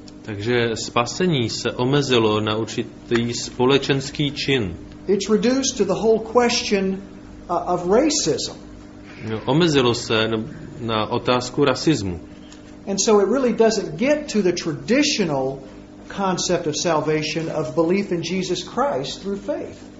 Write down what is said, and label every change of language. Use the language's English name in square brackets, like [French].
[Czech] Takže spasení se omezilo na určitý společenský čin. [English] It's reduced to the whole question of racism. [Czech] Omezilo se na otázku rasismu. [English] And so it really doesn't get to the traditional concept of salvation of belief in Jesus Christ through faith.